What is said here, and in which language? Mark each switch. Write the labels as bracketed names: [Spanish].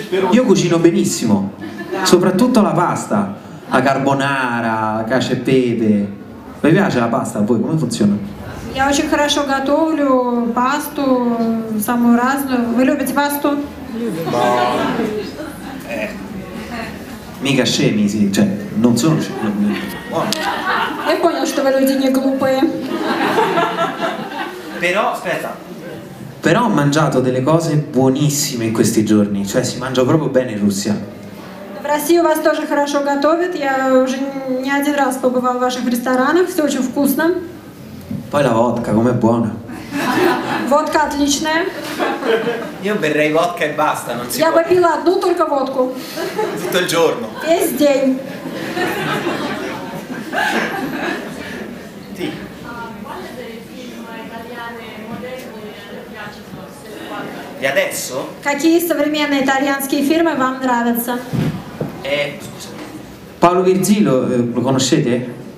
[Italian] io cucino benissimo, soprattutto la pasta, la carbonara, cacio e pepe. Mi piace la pasta, poi come funziona? [Russian] Я очень хорошо готовлю пасту самую разную. Ви любите пасту? [Italian] Mica scemi, sì, cioè, non sono scemi. E poi non sto vedendo niente glupe. Però, aspetta. Però ho mangiato delle cose buonissime in questi giorni, cioè si mangia proprio bene in Russia. [Russian] В России у вас тоже хорошо готовят. Я уже не один раз побывал в ваших ресторанах, все очень вкусно. [Italian] Poi la vodka, com'è buona. [Russian] Vodka отличная. [Italian] Io berrei vodka e basta, non si. [Russian] Я попила одну только водку. [Italian] Tutto il giorno. [Russian] Весь день. [Italian] Sì. E adesso? [Russian] Какие современные итальянские фильмы вам нравятся? [Italian] Scusa. Paolo Virgilio, lo conoscete?